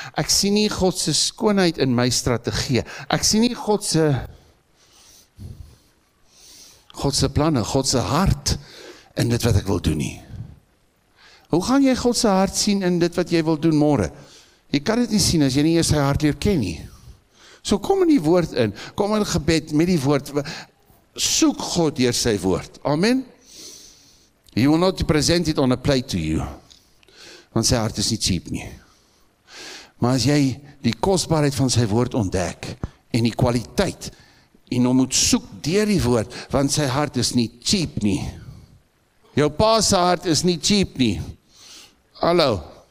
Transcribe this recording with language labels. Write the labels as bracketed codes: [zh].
[af] Ek sien nie Godse skoonheid in my strategie. Ek sien nie Godse planne, Godse hart in dit wat ek wil doen nie. Hoe gaan jy Godse hart sien in dit wat jy wil doen morgen? Jy kan dit nie sien as jy nie eers sy hart leer ken nie. So kom in die woord in, kom in gebed met die woord, soek God deur sy woord. Amen. [en] He will not present it on a plate to you. [af] Want sy hart is nie cheap nie. Maar as jy die kostbaarheid van sy woord ontdek, en die kwaliteit, en om moet soek deur die woord, want sy hart is nie cheap nie. Jou pa se hart is nie cheap nie. Hallo.